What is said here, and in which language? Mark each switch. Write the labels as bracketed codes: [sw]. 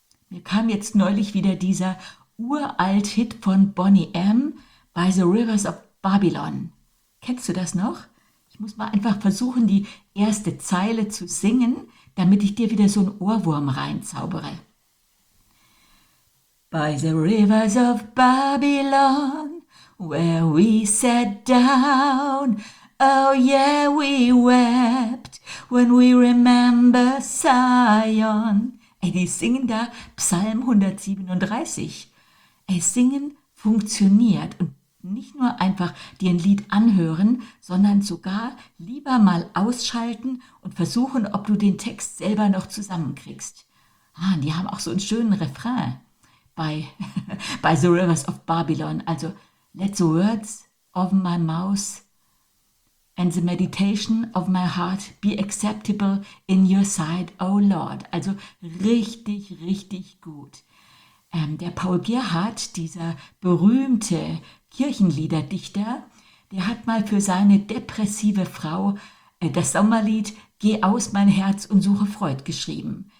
[de] Mir kam jetzt neulich wieder dieser Uralt-Hit von Bonnie M. By the Rivers of Babylon. Kennst du das noch? Ich muss mal einfach versuchen, die erste Zeile zu singen, damit ich dir wieder so einen Ohrwurm reinzaubere. [en] By the rivers of Babylon, where we sat down, oh yeah, we wept when we remember Zion. [de] Ey, die singen da Psalm 137. Ey, singen funktioniert. Und nicht nur einfach dir ein Lied anhören, sondern sogar lieber mal ausschalten und versuchen, ob du den Text selber noch zusammenkriegst. Ah, die haben auch so einen schönen Refrain bei The Rivers of Babylon. [en] Also, let the words of my mouth and the meditation of my heart be acceptable in your sight, O Lord. [de] Also richtig, richtig gut. Der Paul Gerhardt, dieser berühmte Kirchenliederdichter, der hat mal für seine depressive Frau das Sommerlied »Geh aus, mein Herz, und suche Freud« geschrieben.